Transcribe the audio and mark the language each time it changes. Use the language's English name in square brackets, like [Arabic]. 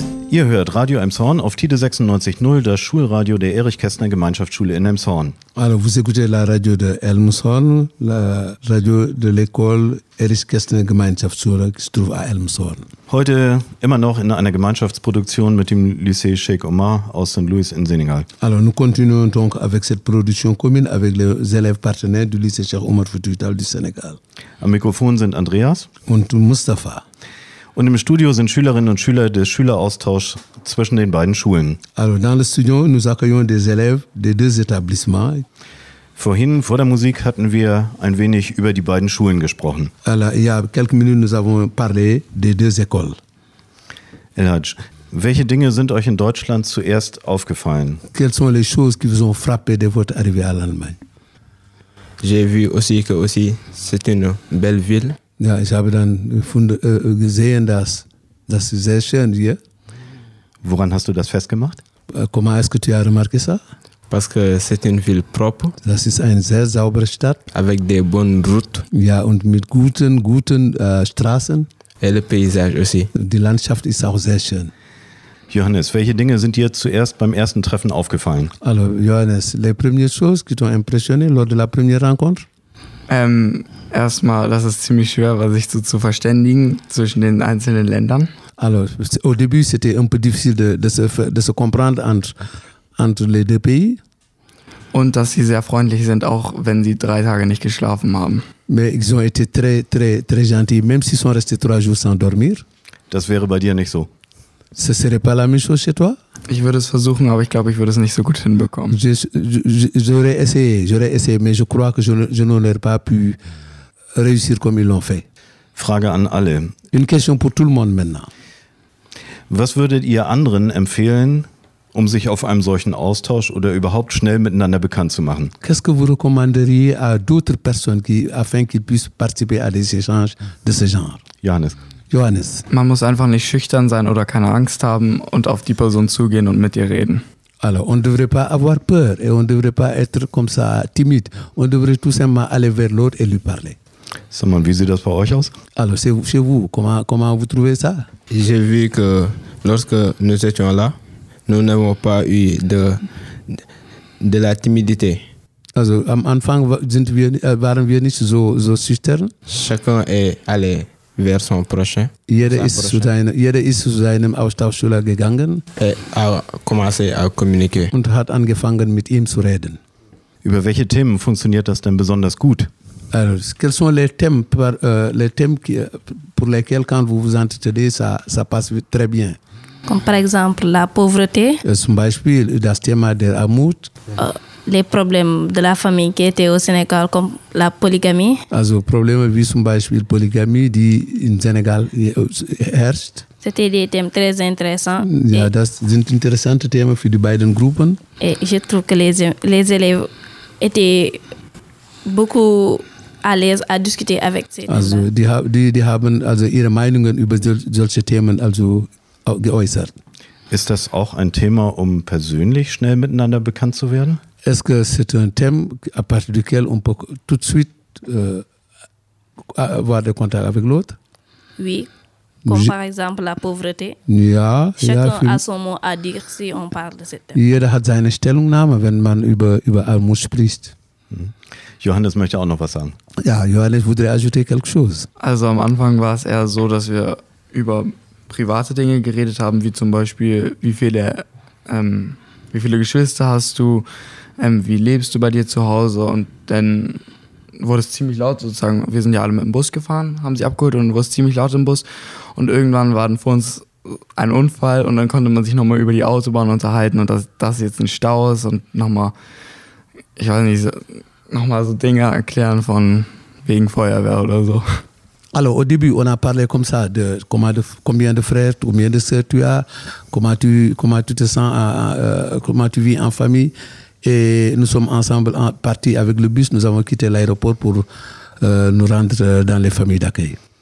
[German] Ihr hört Radio Elmshorn auf Tide 96.0, das Schulradio der Erich-Kästner-Gemeinschaftsschule in Elmshorn. [French] Also, vous écoutez la radio de Elmshorn, la radio de l'école Erich-Kästner-Gemeinschaftsschule, qui se trouve à Elmshorn. [German] Heute immer noch in einer Gemeinschaftsproduktion mit dem Lycée Cheikh Omar aus St. Louis in Senegal. [French] Alors, nous continuons donc avec cette production commune avec les élèves partenaires du Lycée Cheikh Omar Futuital du Sénégal. [German] Am Mikrofon sind Andreas und Mustafa. Und im Studio sind Schülerinnen und Schüler des Schüleraustauschs zwischen den beiden Schulen. [French] Also, dans le studio, nous accueillons des élèves des deux établissements. [German] Vorhin, vor der Musik, hatten wir ein wenig über die beiden Schulen gesprochen. [French] Alors, il y a quelques minutes, nous avons parlé des deux écoles. [German] Elhadj, welche Dinge sind euch in Deutschland zuerst aufgefallen? [French] Quelles sont les choses qui vous ont frappé de votre arrivée à l'Allemagne? J'ai vu aussi que aussi, c'est une belle ville. [German] Ja, ich habe dann gesehen, dass das sehr schön hier. Woran hast du das festgemacht? [French] Comment est-ce que tu as remarqué ça? Parce que c'est une ville propre. [German] Das ist eine sehr saubere Stadt. [French] Avec des bonnes routes. [German] Ja, und mit guten Straßen. [French] Et le paysage aussi. [German] Die Landschaft ist auch sehr schön. Johannes, welche Dinge sind dir zuerst beim ersten Treffen aufgefallen? [French] Alors, Johannes, les premières choses qui t'ont impressionné lors de la première rencontre? [German] Erstmal, das ist ziemlich schwer, sich so zu verständigen zwischen den einzelnen Ländern. [French] Alors, au début, c'était un peu difficile de se comprendre entre les deux pays. [German] Und dass sie sehr freundlich sind, auch wenn sie drei Tage nicht geschlafen haben. [French] Mais ils ont été très, très, très gentils, même s'ils sont restés trois jours sans dormir. [German] Das wäre bei dir nicht so. [French] Ce serait pas la même chose chez toi? [German] Ich würde es versuchen, aber ich glaube, ich würde es nicht so gut hinbekommen. [French] J'aurais essayé, mais je crois que je n'aurais pas pu réussir comme ils l'ont fait. [German] Frage an alle. [French] Une question pour tout le monde maintenant. [German] Was würdet ihr anderen empfehlen, um sich auf einem solchen Austausch oder überhaupt schnell miteinander bekannt zu machen? [French] Qu'est-ce que vous recommanderiez à d'autres personnes afin qu'ils puissent participer à des échanges de ce genre? [German] Johannes. Man muss einfach nicht schüchtern sein oder keine Angst haben und auf die Person zugehen und mit ihr reden. [French] Alors, on ne devrait pas avoir peur et on ne devrait pas être comme ça timide. On devrait tout simplement aller vers l'autre et lui parler. [German] Sag mal, wie sieht das bei euch aus? [French] Alors, c'est chez vous. Comment vous trouvez ça? J'ai vu que lorsque nous étions là, nous n'avons pas eu de la timidité. [German] Also, am Anfang waren wir nicht so schüchtern. [French] Chacun est allé vers son prochain. [German] Jeder ist zu seinem Austauschschüler gegangen. [French] Et a commencé à communiquer. [German] Und hat angefangen, mit ihm zu reden. Über welche Themen funktioniert das denn besonders gut? [French] Alors, quels sont les thèmes pour lesquels, quand vous vous entretenez, ça passe très bien? Comme par exemple la pauvreté. [German] Zum Beispiel das Thema der Armut. [French] Les problèmes de la famille qui était au Sénégal, comme la polygamie. [German] Also, Probleme wie zum Beispiel Polygamie, die in Senegal herrscht. [French] C'était des thèmes très intéressants. [German] Ja, et das sind interessante Themen für die beiden Gruppen. [French] Et je trouve que les élèves étaient beaucoup à l'aise à discuter avec ces thèmes. [German] Also, die haben also ihre Meinungen über solche Themen also geäußert. Ist das auch ein Thema, um persönlich schnell miteinander bekannt zu werden? [French] Est-ce que c'est un thème à partir duquel on peut tout de suite avoir des contacts avec l'autre? Oui, comme par exemple la pauvreté. Chacun a son mot à dire si on parle de ce thème. [German] Jeder hat seine Stellungnahme, wenn man über Armut spricht. Johannes möchte auch noch was sagen. [French] Ja, Johannes voudrait ajouter quelque chose. [German] Also am Anfang war es eher so, dass wir über private Dinge geredet haben, wie zum Beispiel, wie viele Geschwister hast du, wie lebst du bei dir zu Hause? Und dann wurde es ziemlich laut sozusagen. Wir sind ja alle mit dem Bus gefahren, haben sie abgeholt und wurde es ziemlich laut im Bus. Und irgendwann war dann vor uns ein Unfall und dann konnte man sich nochmal über die Autobahn unterhalten und dass jetzt ein Stau ist und nochmal, ich weiß nicht, nochmal so Dinge erklären von wegen Feuerwehr oder so. [French] Alors, au début, on a parlé comme ça, combien de frères, combien de sœurs tu as, comment tu te sens, comment tu vis en famille. Et nous sommes ensemble partis avec le bus, nous avons quitté l'aéroport pour nous rendre dans les familles d'accueil.